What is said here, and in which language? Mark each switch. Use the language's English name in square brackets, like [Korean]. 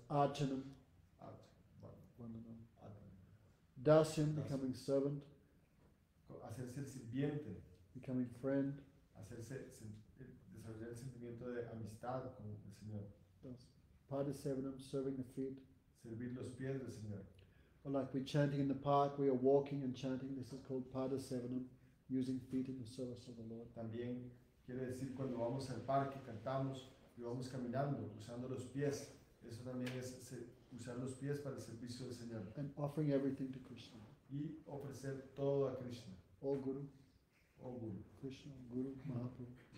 [Sanskrit] Archanam. Archanam. [English] Dasyam, becoming servant. [Spanish] Hacerse el sirviente. [English] Becoming friend. [Spanish] Hacerse, desarrollar el sentimiento de amistad con el Señor. [English] Padasevanam, serving the feet. [Spanish] Servir los pies del Señor. [English] Or like we're chanting in the park, we are walking and chanting. This is called Padasevanam, using feet in the service of the Lord. [Spanish] También quiere decir cuando vamos al parque, cantamos y vamos caminando, usando los pies. Eso también es usar los pies para el servicio del Señor. [English] And offering everything to Krishna. [Spanish] Y ofrecer todo a Krishna. [English] O Guru. Krishna, Guru, Mahaprabhu.